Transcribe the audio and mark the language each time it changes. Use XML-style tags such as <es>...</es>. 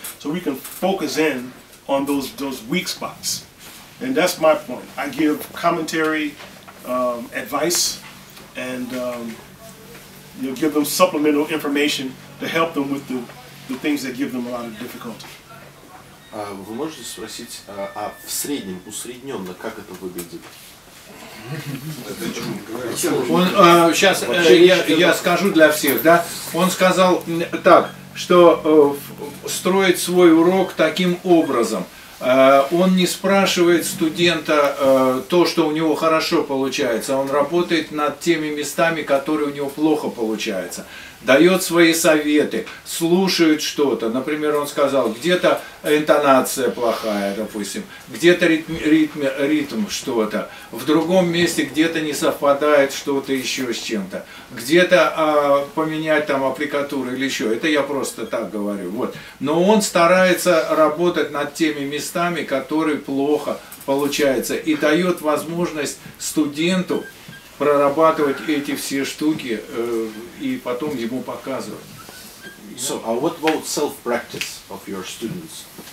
<en>So we can focus in on those weak spots. And that's my point. I give commentary, advice, and you know, give them supplemental information to help them with the things that give them a lot of difficulty.</en> <ru>Вы можете спросить, а в среднем, усредненно, как это выглядит? Он, сейчас я скажу для всех, да? Он сказал так, что строить свой урок таким образом. Он не спрашивает студента то, что у него хорошо получается, он работает над теми местами, которые у него плохо получаются. Дает свои советы, слушает что-то. Например, он сказал, где-то интонация плохая, допустим, где-то ритм что-то, в другом месте где-то не совпадает что-то еще с чем-то, где-то поменять там аппликатуру или еще. Это я просто так говорю. Вот. Но он старается работать над теми местами, которые плохо получаются, и дает возможность студенту прорабатывать эти все штуки и потом ему показывать.</ru> <en>So, what about self-practice of your students?</en>